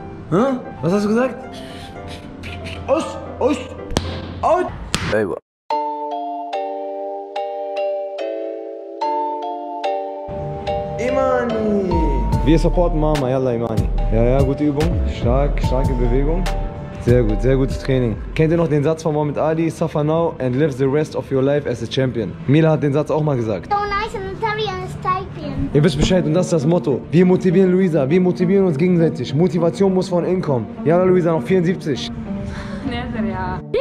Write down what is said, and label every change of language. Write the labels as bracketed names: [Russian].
[German] Hä? Was hast du gesagt? Aus! Aus! Out! Hey, Imani! Wir supporten Mama, yalla Imani. Ja, ja, gute Übung. Stark, starke Bewegung. Sehr gutes Training. Kennt ihr noch den Satz von Muhammad Ali? [English] Suffer now and live the rest of your life as a champion. [German] Mila hat den Satz auch mal gesagt. [English] So nice and Italian. [German] Ihr wisst Bescheid und das ist das Motto. Wir motivieren Luisa, wir motivieren uns gegenseitig. Motivation muss von innen kommen. Yalla Luisa, noch 74. [English] Never, ja.